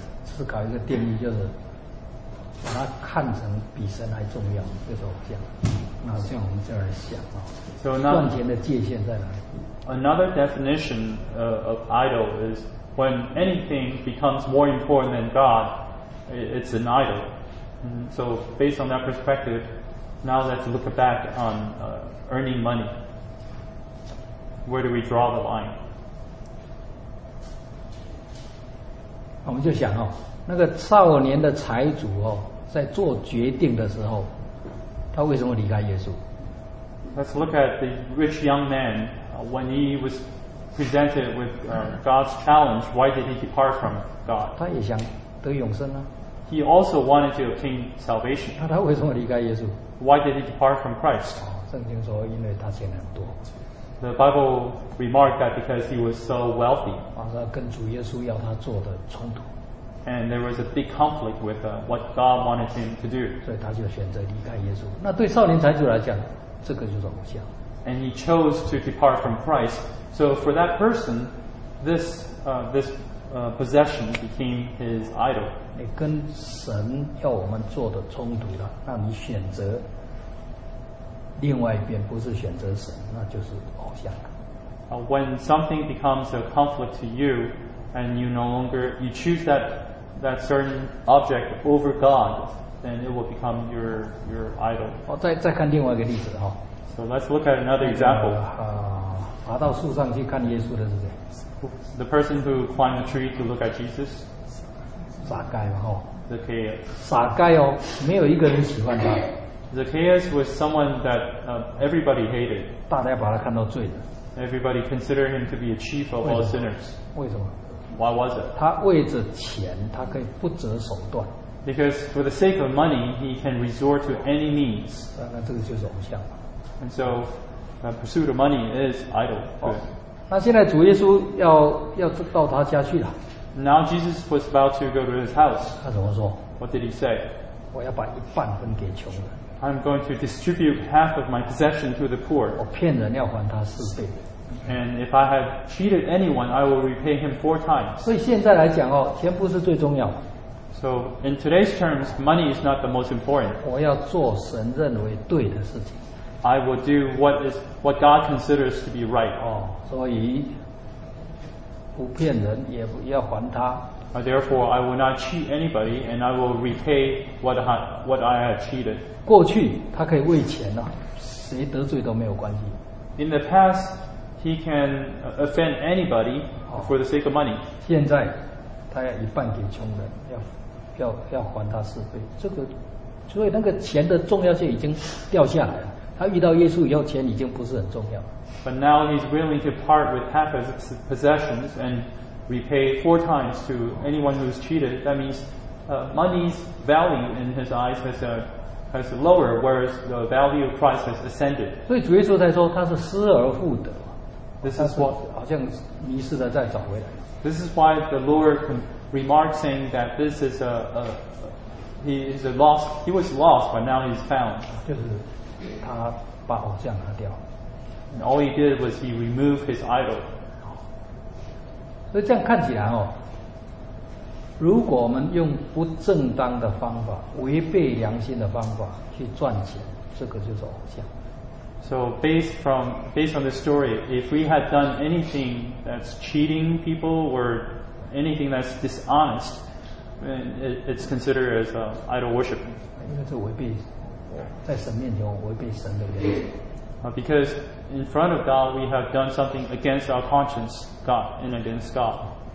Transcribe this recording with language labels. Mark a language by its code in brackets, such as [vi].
[zh] 思考一个定义，就是把它看成比神还重要，就是偶像。那像我们这样想啊，赚钱的界限在哪里 [en] ？Another definition of idol is when anything becomes more important than God, it's an idol. So based on that perspective, now let's look back on earning money. Where do we draw the line? [zh] 我们就想哦。那个少年的财主哦，在做决定的时候，他为什么离开耶稣 [en] ？Let's look at the rich young man when he was presented with God's challenge. Why did he depart from God? [zh] 他也想得永生啊。 [en] He also wanted to obtain salvation. [zh] 那他为什么离开耶稣 [en] ？Why did he depart from Christ? [zh] 圣经说，因为他钱很多。 [en] The Bible remarked that because he was so wealthy. [zh] 啊，他跟主耶稣要他做的冲突。 [en] And there was a big conflict with what God wanted him to do. [zh] 所以他就选择离开耶稣。那对少年财主来讲，这个就是偶像。 [en] And he chose to depart from Christ. So for that person, this possession became his idol. [zh] 你跟神要我们做的冲突了，那你选择另外一边，不是选择神，那就是偶像。 [en] When something becomes a conflict to you, and you no longer you choose that certain object over God, then it will become your idol. [zh] 哦，再看另外一个例子哈。 [en] So let's look at another example. [zh] 爬到树上去看耶稣的是谁？ [en] The person who climbed a tree to look at Jesus. [zh] 撒该嘛哈。 [en] Zacchaeus. [zh] 撒该哦，没有一个人喜欢他。 [en] Zacchaeus was someone that everybody hated. [zh] 大家把他看到罪的。 [en] Everybody considered him to be a chief of all sinners. [zh] 为什么？ [en] Why was it? [zh] 他为着钱，他可以不择手段。 [en] Because for the sake of money, he can resort to any means. [zh] 那这个就是偶像。 [en] And so, the pursuit of money is idol. [zh] 那现在主耶稣要到他家去了。 [en] Now Jesus was about to go to his house. [zh] 他怎么说？ [en] What did he say? [zh] 我要把一半分给穷人。 [en] I'm going to distribute half of my possession to the poor. [zh] 我骗人要还他四倍。 [en] And if I have cheated anyone, I will repay him four times. [zh] 所以现在来讲哦，钱不是最重要。 [en] So in today's terms, money is not the most important. [zh] 我要做神认为对的事情。 [en] I will do what God considers to be right. [zh] 哦，所以不骗人也不要还他。 [en] Therefore, I will not cheat anybody, and I will repay what I have cheated. [zh] 过去他可以为钱呐、啊，谁得罪都没有关系。 [en] In the past, he can offend anybody for the sake of money. [zh] 现在他要一半给穷人，要还他四倍。这个，所以那个钱的重要性已经掉下来了。他遇到耶稣以后，钱已经不是很重要。 [en] But now he's willing to part with half his possessions and repay four times to anyone who's cheated. That means money's value in his eyes has lowered, whereas the value of Christ has ascended. [zh] 所以主耶稣才说他是失而复得。 [en] This is what [zh] 好像迷失的再找回来。 [en] This is why the Lord remarked saying that this is he is a lost. He was lost, but now he's found. [zh] 就是他把偶像拿掉。 [en] And all he did was he removed his idol. [zh] 所以这样看起来哦，如果我们用不正当的方法、违背良心的方法去赚钱，这个就是偶像。 [en] So based on the story, if we had done anything that's cheating people or anything that's dishonest, it's considered as idol worship. [zh] 因为这违背。在神面前，我违背神的原则。 [en] Because in front of God, we have done something against our conscience, God, and against God.